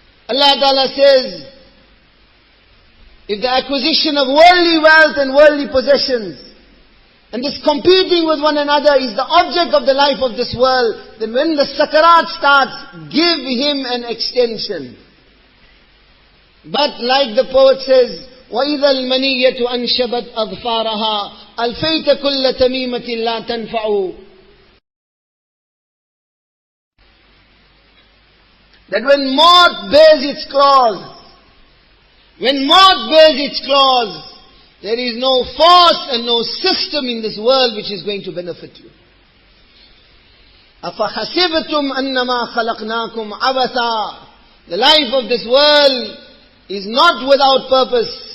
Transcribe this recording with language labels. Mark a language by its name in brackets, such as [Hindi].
[English] Allah Ta'ala says, if the acquisition of worldly wealth and worldly possessions and this competing with one another is the object of the life of this world, then when the sakarat starts, give him an extension. But like the poet says, [Arabic] وَإِذَا الْمَنِيَّةُ أَنْشَبَتْ أَظْفَارَهَا أَلْفَيْتَ كُلَّ تَمِيمَةٍ لَا تَنْفَعُ. [English] That when moth bears its claws, when moth bears its claws, there is no force and no system in this world which is going to benefit you. [Arabic] أَفَحَسِبْتُمْ أَنَّمَا خَلَقْنَاكُمْ عَبَثًا. [English] The life of this world is not without purpose.